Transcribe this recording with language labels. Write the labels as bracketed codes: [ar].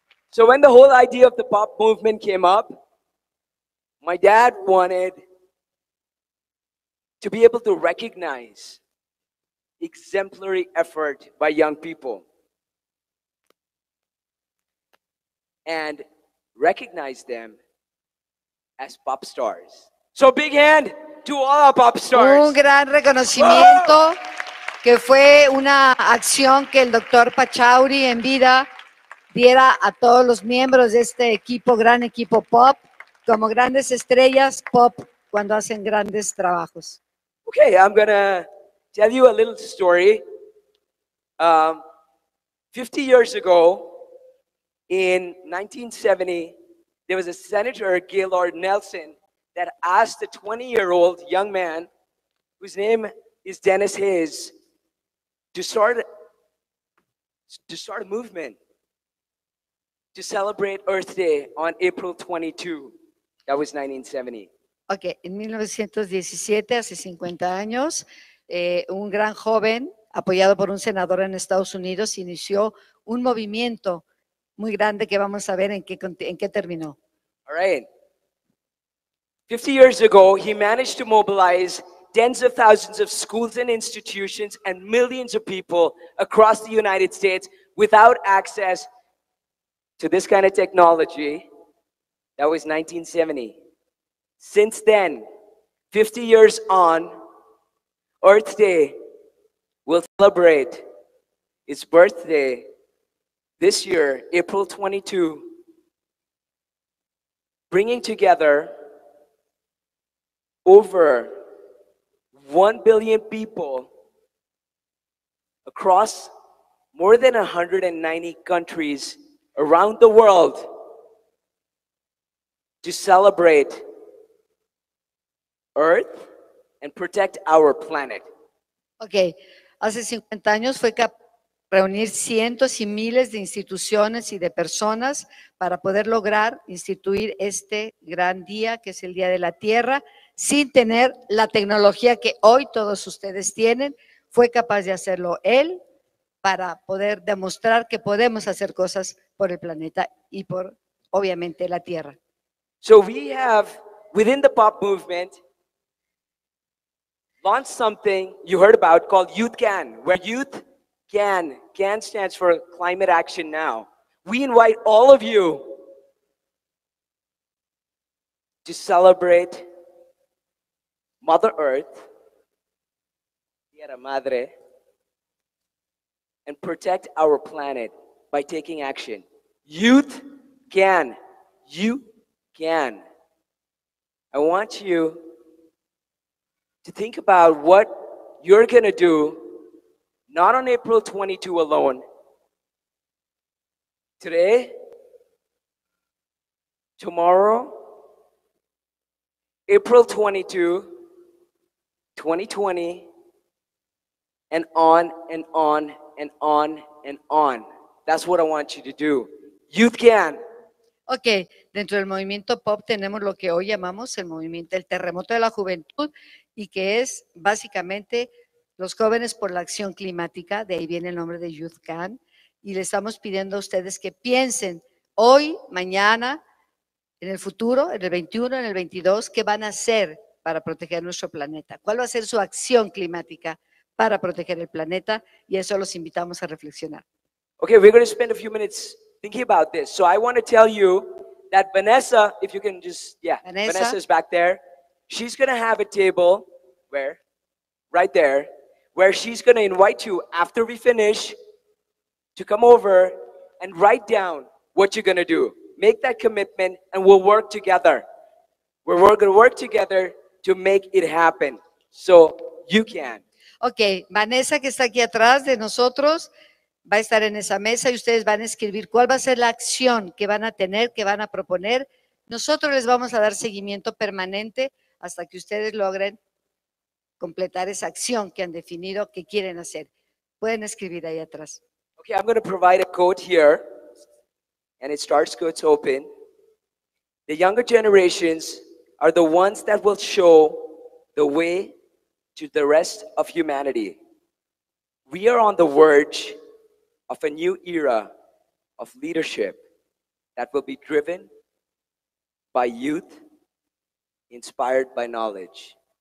[en] So when the whole idea of the pop movement came up, my dad wanted to be able to recognize exemplary effort by young people. And recognize them as pop stars. So big hand to all our pop stars. [es] Un gran reconocimiento oh! que fue una acción que el doctor Pachauri en vida diera a todos los miembros de este equipo, gran equipo pop, como grandes estrellas pop cuando hacen grandes trabajos. [en] Okay, I'm gonna tell you a little story. 50 years ago, in 1970, there was a senator, Gaylord Nelson, that asked a 20-year-old young man, whose name is Dennis Hayes, to start a movement to celebrate Earth Day on April 22. That was 1970. [es] Okay, en 1917, hace 50 años, un gran joven, apoyado por un senador en Estados Unidos, inició un movimiento muy grande que vamos a ver en qué terminó. [en] All right. 50 years ago, he managed to mobilize tens of thousands of schools and institutions and millions of people across the United States without access to this kind of technology. That was 1970. Since then, 50 years on, Earth Day will celebrate its birthday this year, April 22, bringing together over 1 billion people across more than 190 countries around the world to celebrate Earth and protect our planet. [es] Okay, hace 50 años fue capaz de reunir cientos y miles de instituciones y de personas para poder lograr instituir este gran día que es el Día de la Tierra sin tener la tecnología que hoy todos ustedes tienen. Fue capaz de hacerlo él para poder demostrar que podemos hacer cosas por el planeta y por obviamente la Tierra. [en] So we have within the pop movement launched something you heard about called Youth Can, where Youth Can stands for Climate Action Now. We invite all of you to celebrate Mother Earth, [es] Tierra Madre, [en] and protect our planet by taking action. Youth Can, you can. I want you to think about what you're gonna do, not on April 22 alone, today, tomorrow, April 22, 2020, and on and on and on and on. That's what I want you to do. Youth Can. [es] Okay, dentro del movimiento pop tenemos lo que hoy llamamos el movimiento del terremoto de la juventud, y que es básicamente los jóvenes por la acción climática, de ahí viene el nombre de Youth Can, y le estamos pidiendo a ustedes que piensen hoy, mañana, en el futuro, en el 21, en el 22, qué van a hacer para proteger nuestro planeta, cuál va a ser su acción climática para proteger el planeta, y eso los invitamos a reflexionar. [en] Okay, we're going to spend a few minutes thinking about this. So I want to tell you that Vanessa, if you can just, yeah, Vanessa is back there. She's going to have a table, where? Right there, where she's going to invite you, after we finish, to come over and write down what you're going to do. Make that commitment, and we'll work together. We're going to work together to make it happen. So, you can. [es] Okay, Vanessa, que está aquí atrás de nosotros, va a estar en esa mesa y ustedes van a escribir cuál va a ser la acción que van a tener, que van a proponer. Nosotros les vamos a dar seguimiento permanente hasta que ustedes logren completar esa acción que han definido que quieren hacer. Pueden escribir ahí atrás. [en] Okay, I'm going to provide a quote here, and it starts, quotes open. The younger generations are the ones that will show the way to the rest of humanity. We are on the verge of a new era of leadership that will be driven by youth, inspired by knowledge.